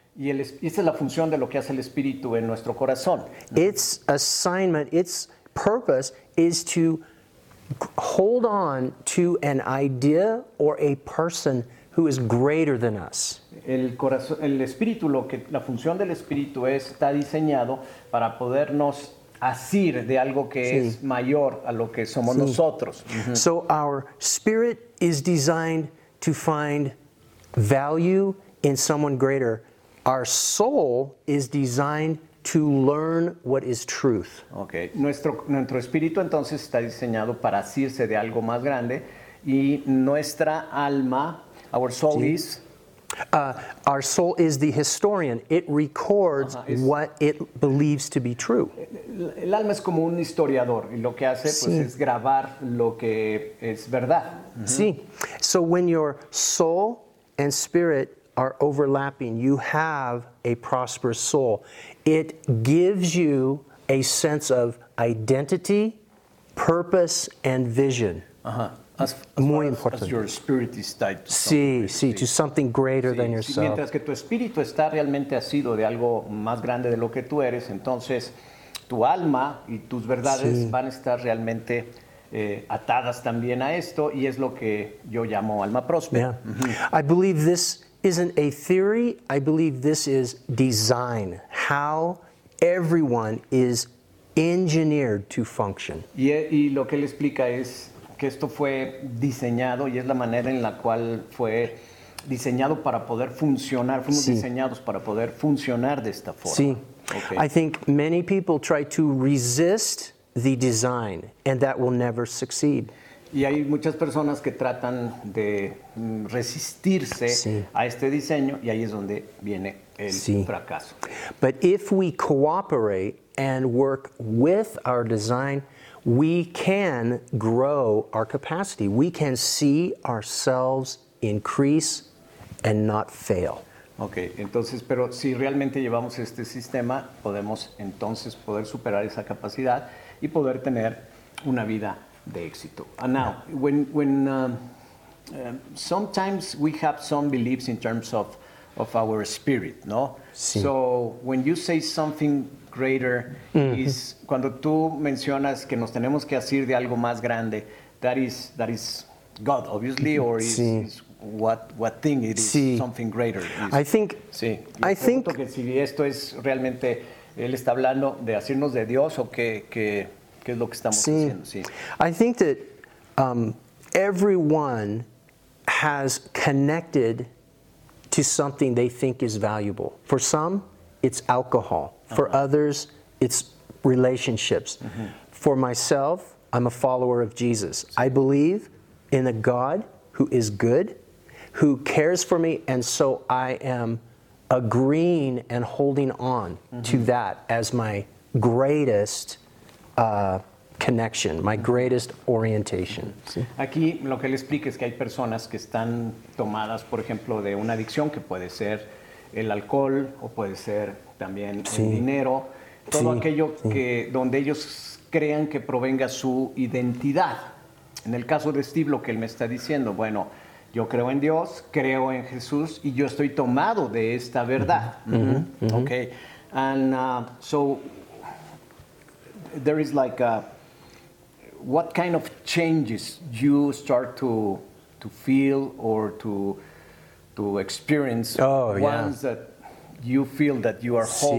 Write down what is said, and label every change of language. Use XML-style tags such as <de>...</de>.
<es>Y esta es la función de lo que hace el Espíritu en nuestro corazón.</es> <en>Its assignment, its purpose is to hold on to an idea or a person who is greater than us.</en> <es>El corazón, el espíritu, lo que la función del espíritu es, está diseñado para podernos asir de algo que sí. es mayor a lo que somos sí. nosotros. Mm-hmm.</es> <en>So our spirit is designed to find value in someone greater. Our soul is designed to learn what is truth. Okay.</en> <es>Nuestro espíritu entonces está diseñado para asirse de algo más grande y nuestra alma, our soul sí. is</es> <en>Our soul is the historian. It records what it believes to be true.</en> <es>El alma es como un historiador y lo que hace sí. pues es grabar lo que es verdad. Mm-hmm. Sí.</es> <en>So when your soul and spirit are overlapping, you have a prosperous soul. It gives you a sense of identity, purpose, and vision. Uh-huh. As</en> <es>Muy</es> <en>as important. As your spirit is tied to to something greater</en> <es>sí,</es> <en>than yourself.</en> <es>Mientras que tu espíritu está realmente asido de algo más grande de lo que tú eres, entonces tu alma y tus verdades sí. van a estar realmente atadas también a esto, y es lo que yo llamo alma próspera.</es> <en>Yeah. Mm-hmm. I believe this isn't a theory. I believe this is design, how everyone is engineered to function.</en> <es>Y lo que él explica es que esto fue diseñado y es la manera en la cual fue diseñado para poder funcionar. Fuimos sí. diseñados para poder funcionar de esta forma. Sí. Okay.</es> <en>I think many people try to resist the design and that will never succeed.</en> <es>Y hay muchas personas que tratan de resistirse sí. a este diseño y ahí es donde viene el sí. fracaso.</es> <en>But if we cooperate and work with our design, we can grow our capacity. We can see ourselves increase and not fail.</en> <es>Okay, entonces, pero si realmente llevamos este sistema, podemos entonces poder superar esa capacidad y poder tener una vida de éxito.</es> <en>Now, when sometimes we have some beliefs in terms of of our spirit, ¿no?</en> <es>Sí.</es> <en>So when you say something greater, mm-hmm.</en> <es>is cuando tú mencionas que nos tenemos que asir de algo más grande, that is God, obviously, or is, sí.</es> <en>is what thing it is,</en> <es>sí.</es> <en>something greater. Is, I think.</en> <es>Sí.</es> <en>I think.</en> <es>Que si esto es realmente él está hablando de asirnos de Dios o qué es lo que estamos sí. haciendo. Sí.</es> <en>I think that everyone has connected to something they think is valuable. For some, it's alcohol. For uh-huh. others, it's relationships. Mm-hmm. For myself, I'm a follower of Jesus. I believe in a God who is good, who cares for me, and so I am agreeing and holding on mm-hmm. to that as my greatest connection, my greatest orientation.</en> <es>Sí. Aquí lo que le explico es que hay personas que están tomadas, por ejemplo, de una adicción que puede ser el alcohol o puede ser también sí. el dinero, todo sí. aquello sí. que donde ellos crean que provenga su identidad. En el caso de Steve, lo que él me está diciendo, bueno, yo creo en Dios, creo en Jesús y yo estoy tomado de esta verdad. Mm-hmm. Mm-hmm.</es> <en>Okay, and so there is like a what kind of changes you start to feel or to experience oh, once yeah. that you feel that you are whole</en>